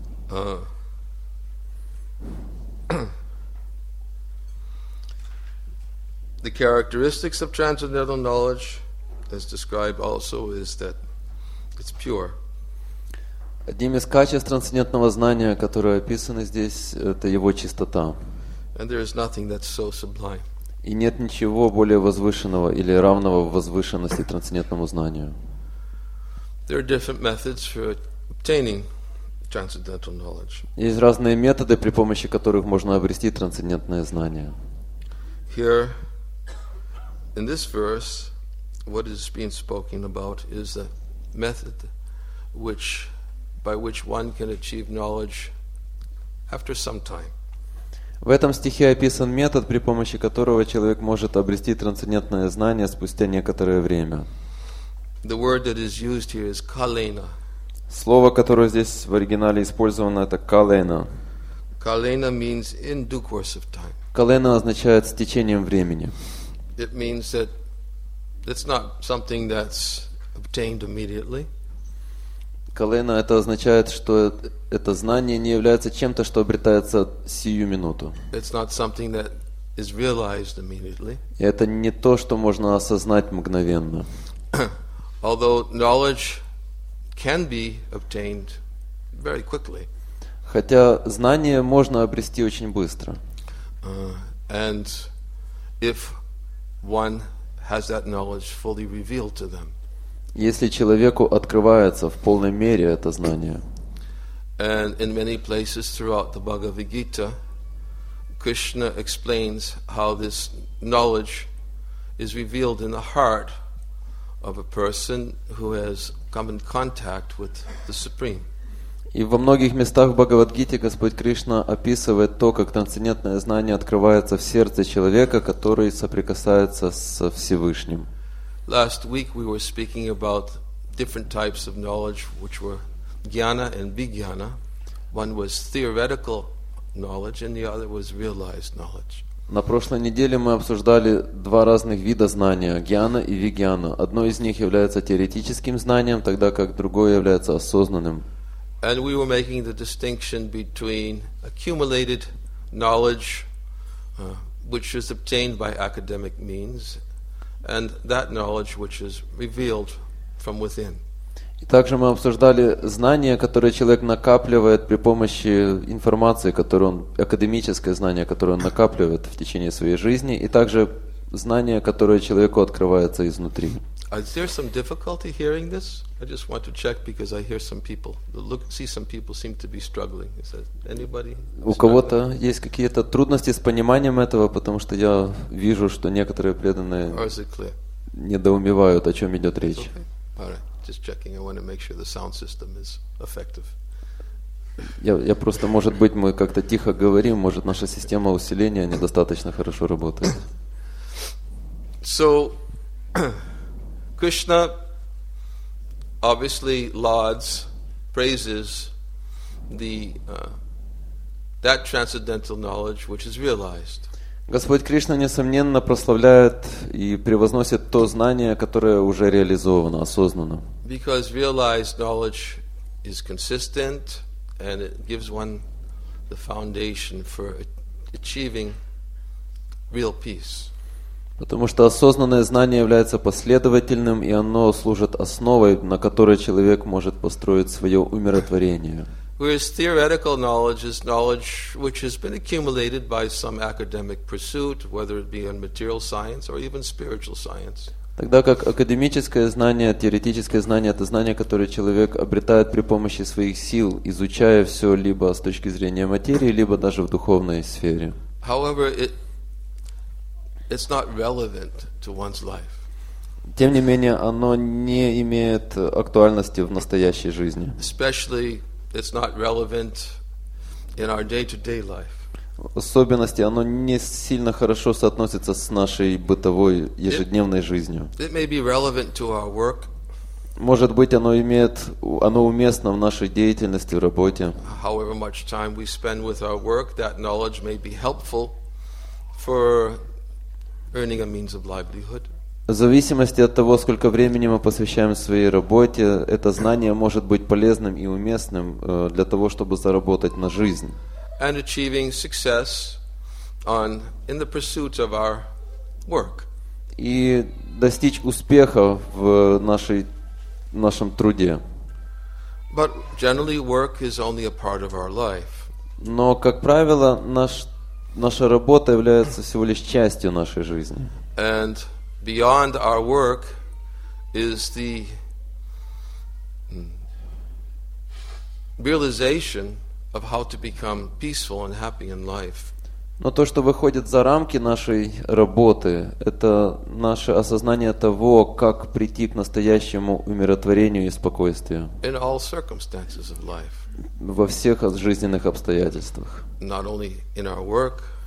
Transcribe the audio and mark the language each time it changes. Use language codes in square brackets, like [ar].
[en] The characteristics of transcendental knowledge, as described also, is that it's pure. [ru] Одним из качеств трансцендентного знания, которое описано здесь, это его чистота. [en] And there is nothing that's so sublime. [ru] И нет ничего более возвышенного или равного возвышенности трансцендентному знанию. [en] There are different methods for obtaining transcendental knowledge. [ru] Есть разные методы, при помощи которых можно обрести трансцендентное знание. [en] Here, in this verse, what is being spoken about is a method which, by which one can achieve knowledge after some time. [ru] В этом стихе описан метод, при помощи которого человек может обрести трансцендентное знание спустя некоторое время. [en] The word that is used here is kalena. [ru] Слово, которое здесь в оригинале использовано, это kalena. [en] Kalena means in due course of time. [ru] Kalena означает с течением времени. [en] It means that it's not something that's obtained immediately. [ru] Kalena это означает, что это знание не является чем-то, что обретается сию минуту. [en] It's not something that is realized immediately. [ru] И это не то, что можно осознать мгновенно. [en] Although knowledge can be obtained very quickly. [ru] Хотя знание можно обрести очень быстро. [en] And if one has that knowledge fully revealed to them. [ru] Если человеку открывается в полной мере это знание. [en] And in many places throughout the Bhagavad Gita, Krishna explains how this knowledge is revealed in the heart of a person who has come in contact with the Supreme. [ru] И во многих местах в Бхагавад-гите Господь Кришна описывает то, как трансцендентное знание открывается в сердце человека, который соприкасается со Всевышним. [en] Last week we were speaking about different types of knowledge, which were jnana and vijnana. One was theoretical knowledge, and the other was realized knowledge. [ru] На прошлой неделе мы обсуждали два разных вида знания, гьяна и вигьяна. Одно из них является теоретическим знанием, тогда как другое является осознанным. [en] And we were making the distinction between accumulated knowledge, which is obtained by academic means, and that knowledge which is revealed from within. [ru] И также мы обсуждали знания, которые человек накапливает при помощи информации, которую он, академическое знание, которое он накапливает в течение своей жизни, и также знания, которые человеку открывается изнутри. [en] Is there some difficulty hearing this? I just want to check because I hear some people. Look, see some people seem to be struggling. Is that anybody? [ru] У кого-то есть какие-то трудности с пониманием этого, потому что я вижу, что некоторые преданные недоумевают, о чем идет речь. [en] Just checking. I want to make sure the sound system is effective. [ru] Я просто, может быть, мы как-то тихо говорим, может, наша система усиления недостаточно хорошо работает. [en] So, Krishna obviously lauds, praises the that transcendental knowledge which is realized. [ru] Господь Кришна, несомненно, прославляет и превозносит то знание, которое уже реализовано, осознанно. [en] Because realized knowledge is consistent and it gives one the foundation for achieving real peace. [ru] Потому что осознанное знание является последовательным, и оно служит основой, на которой человек может построить свое умиротворение. [en] Whereas theoretical knowledge is knowledge which has been accumulated by some academic pursuit, whether it be in material science or even spiritual science. [ru] Тогда как академическое знание, теоретическое знание, это знание, которое человек обретает при помощи своих сил, изучая все либо с точки зрения материи, либо даже в духовной сфере. [en] However, it's not relevant to one's life. [ru] Тем не менее, оно не имеет актуальности в настоящей жизни. [en] Especially, it's not relevant in our day-to-day life. [ru] Особенности, оно не сильно хорошо соотносится с нашей бытовой, ежедневной жизнью. [en] It may be relevant to our work. [ru] Может быть, оно уместно в нашей деятельности, в работе. [en] However much time we spend with our work, that knowledge may be helpful for earning a means of livelihood. [ru] В зависимости от того, сколько времени мы посвящаем своей работе, это знание может быть полезным и уместным для того, чтобы заработать на жизнь. [en] And achieving success in the pursuit of our work. [ru] И достичь успеха в нашем труде. [en] But generally, work is only a part of our life. [ru] Но как правило, наша работа является всего лишь частью нашей жизни. [en] And beyond our work is the realization of how to become peaceful and happy in life. [ru] Но то, что выходит за рамки нашей работы, это наше осознание того, как прийти к настоящему умиротворению и спокойствию. [en] In all circumstances of life. [ru] Во всех жизненных обстоятельствах. [en] Not only in our work.